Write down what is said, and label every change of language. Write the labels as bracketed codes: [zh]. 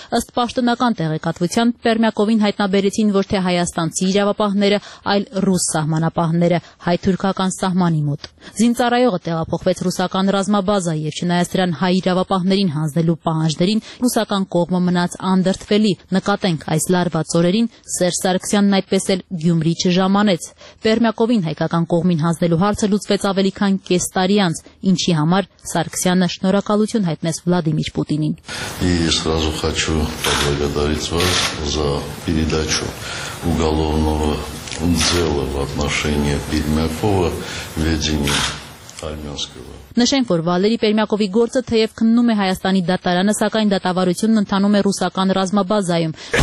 [hy] ըստ պաշտոնական տեղեկատվության Պերմյակովին հայտնաբերեցին ոչ թե հայաստանցի իրավապահները, այլ ռուս սահմանապահները հայ-թուրքական սահմանի մոտ։ Զինծառայողը տեղափոխվեց ռուսական ռազմաբազա և չնայած դրան հայ իրավապահներին հանձնելու պահանջներին ռուսական կողմը մնաց անդրդվելի։ Նկատենք, այս լարված օրերին Սերժ Սարգսյանն այդպես էլ Գյումրի չժամանեց։ Պերմյակովին հայկական կողմին հանձնելու հարցը լուծվեց ավելի քան կես տարի անց, ինչի համար Սարգսյանը շնորհակալություն հայտնեց Վլադիմիր Պուտինին։ [ru] Ես сразу хочу поблагодарить вас за передачу уголовного дела в отношении Пермякова в ведении армянского. [hy] Նշենք, որ Վալերի Պերմյակովի գործը թեև քննում է Հայաստանի դատարանը, սակայն դատավարությունն ընդնանում է ռուսական ռազմաբազայում։